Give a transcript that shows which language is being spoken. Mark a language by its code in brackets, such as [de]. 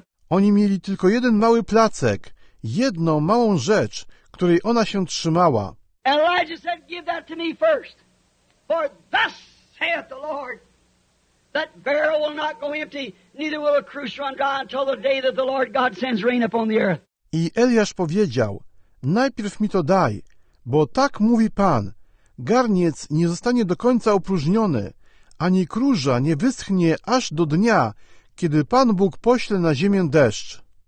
[pl] Oni mieli tylko jeden mały placek, jedną małą rzecz, której ona się trzymała. [en] Elijah said, give that to me first. For thus saith the Lord, that barrel will not go empty, neither will a cruse run dry until the day that the Lord God sends rain upon the earth. [pl] I Eliasz powiedział, najpierw mi to daj, bo tak mówi Pan, garniec nie zostanie do końca opróżniony, ani kruża nie wyschnie aż do dnia, kiedy Pan Bóg pośle na ziemię deszcz.